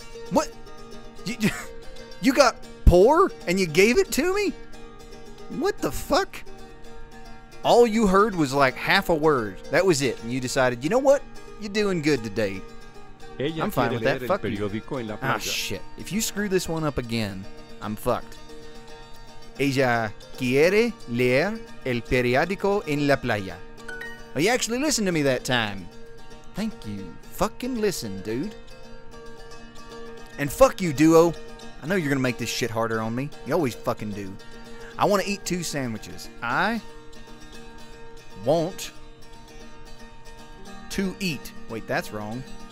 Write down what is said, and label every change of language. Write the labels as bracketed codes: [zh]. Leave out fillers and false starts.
[en] What? You got poor and you gave it to me? What the fuck? All you heard was like half a word. That was it. And you decided, you know what? You're doing good today. [es] Ella [en] I'm fine with that. Fuck you. [es] En la playa. [en] Ah, shit. If you screw this one up again, I'm fucked. [es] Ella quiere leer el periódico en la playa. [en] Well, you actually listened to me that time. Thank you. Fucking listen, dude. And fuck you, duo. I know you're going to make this shit harder on me. You always fucking do. I want to eat two sandwiches. I want to eat. Wait, that's wrong.